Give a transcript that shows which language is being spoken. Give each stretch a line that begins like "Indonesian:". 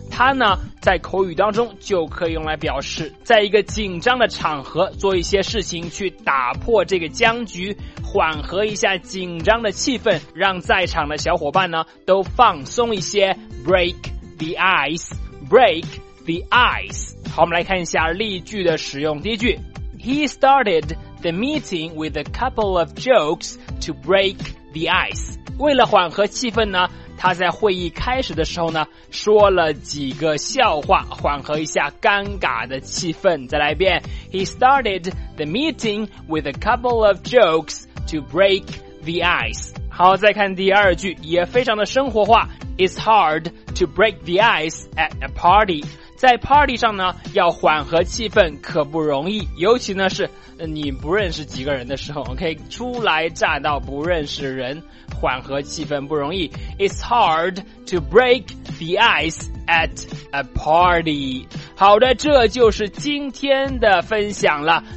Chinese: 它呢在口语当中就可以用来表示在一个紧张的场合做一些事情去打破这个僵局，缓和一下紧张的气氛，让在场的小伙伴呢都放松一些。
English: Break the ice， Break the ice。
Chinese: 好，我们来看一下例句的使用。第一句，
English: He started the meeting with a couple of jokes to break the ice。
Chinese: 为了缓和气氛呢，他在会议开始的时候呢说了几个笑话，缓和一下尴尬的气氛。再来一遍，
English: He started the meeting with a couple of jokes to break the ice。
Chinese: 好，再看第二句，也非常的生活化。
English: It's hard to break the ice at a party。
Chinese: 在 party 上呢要缓和气氛可不容易，尤其呢是你不认识几个人的时候， OK， 初来乍到不认识人，缓和气氛不容易。
English: It's hard to break the ice at a party。
Chinese: 好的，这就是今天的分享了。